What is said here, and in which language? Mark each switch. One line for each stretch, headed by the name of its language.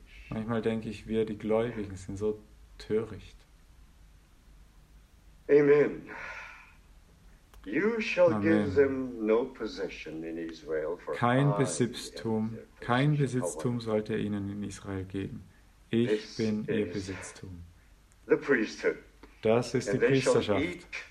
German: Manchmal denke ich, wir, die Gläubigen, sind so töricht. Amen.
English: You shall give them no possession in Israel.
German: Kein Besitztum sollte er ihnen in Israel geben. Ich bin ihr Besitztum. Das ist die Priesterschaft.